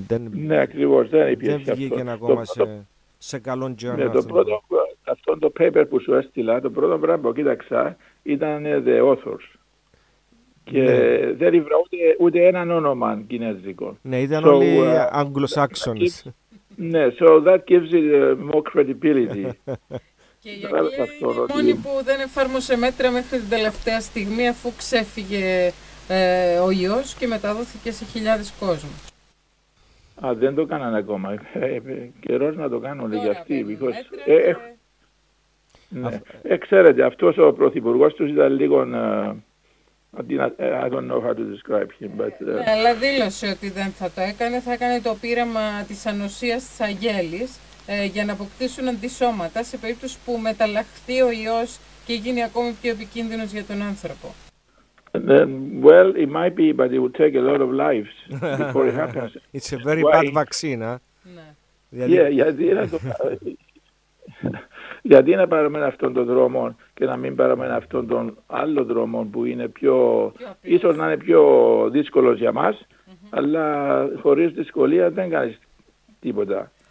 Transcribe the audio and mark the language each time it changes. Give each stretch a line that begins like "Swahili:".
Greek: Ναι, ακριβώς, δεν υπήρχε αυτό. Δεν βγήκε ακόμα σε καλό journal. Ναι, αυτό το paper που σου έστειλα, το πρώτο πράγμα που κοίταξα, ήταν
English: the authors.
Greek: Και δεν ήβρα ούτε έναν όνομα κινέζικο. Ναι, ήταν όλοι Anglo-Saxons. Ναι,
English: so that gives it more credibility.
Greek: Και η Αγγλία μόνη που δεν εφάρμοσε μέτρα μέχρι την τελευταία στιγμή, αφού ξέφυγε ο ιός και μεταδόθηκε σε χιλιάδες κόσμους. Α, δεν το κάνανε ακόμα. Καιρός να το κάνουν τώρα, για αυτοί.
English: Because,
Greek: ναι. Ξέρετε, αυτός ο πρωθυπουργός τους ήταν λίγο...
English: I don't know how to describe him, but...
Greek: αλλά δήλωσε ότι δεν θα το έκανε. Θα έκανε το πείραμα της ανοσίας της Αγγέλης για να αποκτήσουν αντισώματα σε περίπτωση που μεταλλαχθεί ο ιός και γίνει ακόμη πιο επικίνδυνος για τον άνθρωπο.
English: Then, well, it might be, but it would take a lot of lives before it happens. It's a very bad vaccine,
Greek: Γιατί να το γιατί να πάρουμε αυτόν τον δρόμο και να μην πάρουμε αυτόν τον άλλο δρόμο που είναι πιο... ίσως να είναι πιο δύσκολος για μας, αλλά χωρίς δυσκολία δεν κάνεις τίποτα.